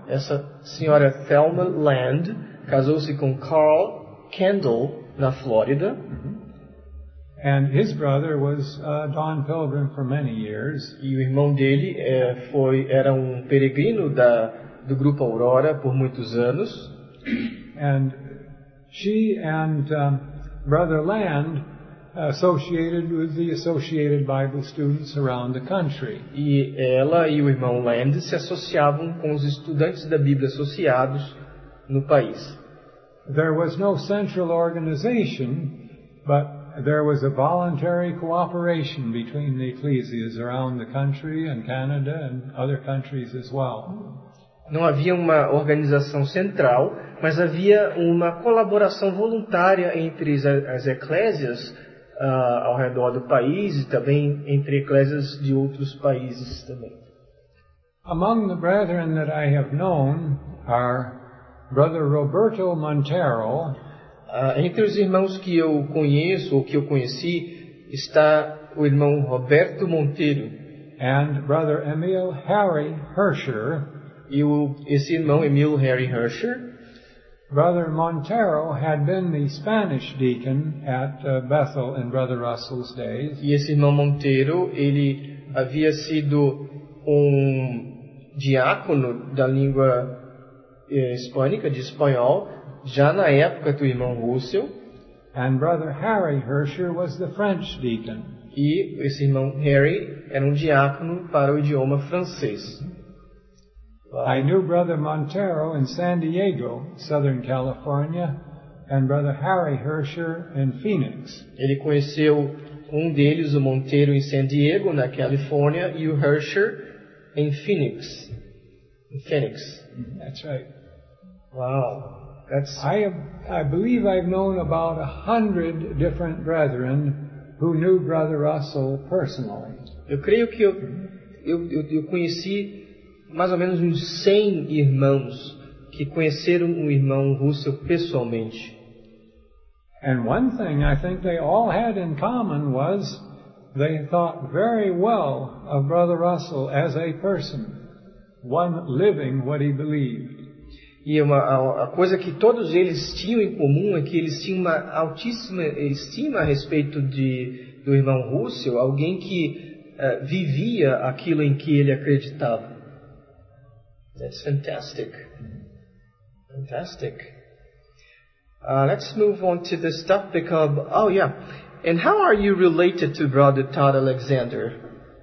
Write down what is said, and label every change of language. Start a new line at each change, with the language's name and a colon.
Portuguese: Essa senhora Thelma Land casou-se com Carl Kendall na Flórida.
English: And his brother was Don Pilgrim for many years.
Portuguese: E o irmão dele era um peregrino do grupo Aurora por muitos anos.
English: And she and Brother Land associated with the Associated Bible Students around the country.
Portuguese: E ela e o irmão Land se associavam com os estudantes da Bíblia associados no país.
English: There was no central organization, but there was a voluntary cooperation between the ecclesias around the country and Canada and other countries as well.
Portuguese: Não havia uma organização central, mas havia uma colaboração voluntária entre as eclésias ao redor do país e também entre eclésias de outros países também.
English: Among the brethren that I have known are Brother Roberto Montero.
Portuguese: Entre os irmãos que eu conheço ou que eu conheci está o irmão Roberto Monteiro
English: and Brother Emil Harry Hersher.
Portuguese: E esse irmão Emil Harry Hersher.
English: Brother Montero had been the Spanish deacon at Bethel in Brother Russell's days.
Portuguese: E esse irmão Monteiro, ele havia sido um diácono da língua hispânica, de espanhol, já na época do irmão Russell.
English: And Brother Harry Hersher was the French deacon.
Portuguese: E esse irmão Harry era um diácono para o idioma francês.
English: I knew Brother Montero in San Diego, Southern California, and Brother Harry Hersher in Phoenix.
Portuguese: Ele conheceu um deles, o Monteiro, em San Diego, na Califórnia, e o Hersher em Phoenix.
English: In Phoenix. That's right. Wow. I believe I've known about 100 different brethren who knew Brother Russell personally.
Portuguese: Eu creio que eu conheci mais ou menos uns 100 irmãos que conheceram o irmão Russell pessoalmente.
English: And one thing I think they all had in common was they thought very well of Brother Russell as a person, one living what he believed.
Portuguese: E a coisa que todos eles tinham em comum é que eles tinham uma altíssima estima a respeito do irmão Russell, alguém que vivia aquilo em que ele acreditava.
English: That's fantastic. Fantastic. Let's move on to this topic of... Oh, yeah. And how are you related to Brother Todd Alexander?